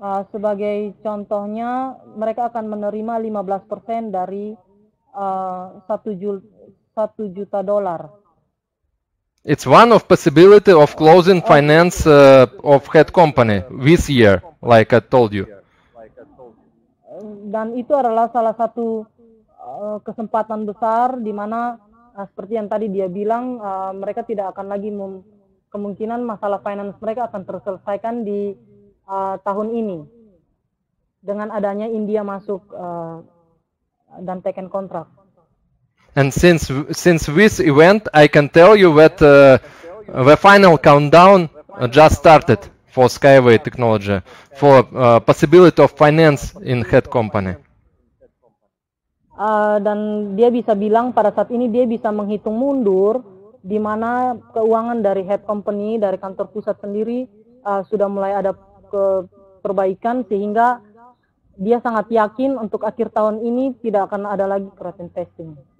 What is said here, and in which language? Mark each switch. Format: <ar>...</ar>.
<id>Sebagai contohnya, mereka akan menerima 15% dari $1 juta.</id> <en>It's one of possibility of closing finance of head company this year, like I told you.</en> <id>Dan itu adalah salah satu kesempatan besar di mana seperti yang tadi dia bilang mereka tidak akan lagi kemungkinan masalah finance mereka akan terselesaikan di tahun ini dengan adanya India masuk dan</id> <en>taken contract. And since this event, I can tell you that the final countdown just started for Skyway technology, for possibility of finance in head company.</en> <id>Dan dia bisa bilang pada saat ini dia bisa menghitung mundur di mana keuangan dari head company, dari kantor pusat sendiri sudah mulai ada perbaikan sehingga dia sangat yakin untuk akhir tahun ini tidak akan ada lagi crash testing.</id>